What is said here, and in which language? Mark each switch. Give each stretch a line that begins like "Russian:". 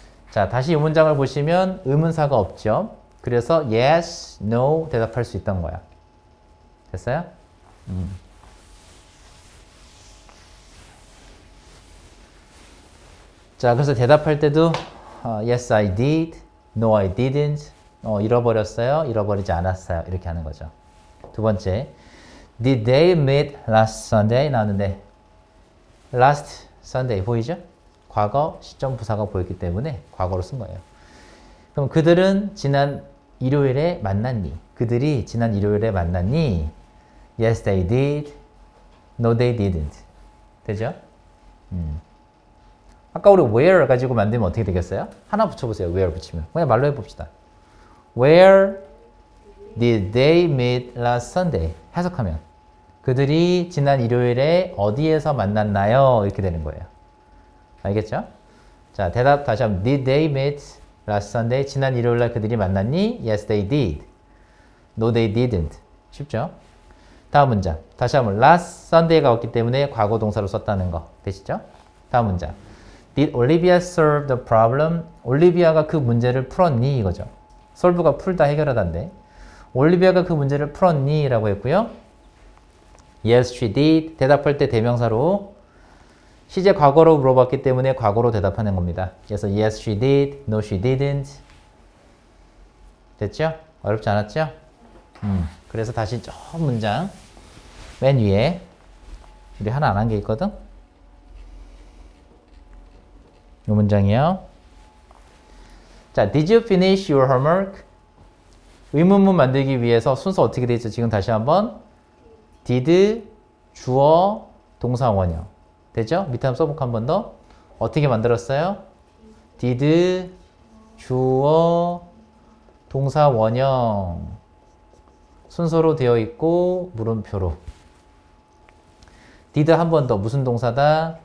Korean: 자, 다시 이 문장을 보시면 의문사가 없죠? 그래서 yes, no 대답할 수 있던 거야. 됐어요? 자, 그래서 대답할 때도
English: yes, I did. No, I didn't.
Korean: 잃어버렸어요. 잃어버리지 않았어요. 이렇게 하는 거죠. 두 번째,
English: Did they meet last Sunday?
Korean: 나왔는데 last Sunday 보이죠? 과거 시점 부사가 보였기 때문에 과거로 쓴 거예요. 그럼 그들은 지난 일요일에 만났니? 그들이 지난 일요일에 만났니?
English: Yes, they did. No, they didn't. 되죠?
Korean: 아까 우리 where 가지고 만들면 어떻게 되겠어요? 하나 붙여보세요. where 붙이면. 그냥 말로 해봅시다.
English: Where did they meet last Sunday?
Korean: 해석하면. 그들이 지난 일요일에 어디에서 만났나요? 이렇게 되는 거예요. 알겠죠? 자, 대답 다시 한번.
English: Did they meet last Sunday?
Korean: 지난 일요일에 그들이 만났니?
English: Yes, they did. No, they didn't.
Korean: 쉽죠? 다음 문장. 다시 한번. Last Sunday가 왔기 때문에 과거 동사로 썼다는 거. 되시죠? 다음 문장.
English: Did Olivia solve the problem?
Korean: 올리비아가 그 문제를 풀었니? 이거죠. Solve가 풀다 해결하다인데. 올리비아가 그 문제를 풀었니? 라고 했고요.
English: Yes, she did.
Korean: 대답할 때 대명사로 시제 과거로 물어봤기 때문에 과거로 대답하는 겁니다. 그래서
English: Yes, she did. No, she didn't.
Korean: 됐죠? 어렵지 않았죠? 그래서 다시 저 문장 맨 위에 우리 하나 안 한 게 있거든? 이 문장이요.
English: 자, Did you finish your homework?
Korean: 의문문 만들기 위해서 순서 어떻게 돼 있죠? 지금 다시 한번 Did 주어 동사 원형 되죠? 밑에 한번 써볼까 한 번 더? 어떻게 만들었어요? Did 주어 동사 원형 순서로 되어 있고 물음표로 Did 한 번 더 무슨 동사다?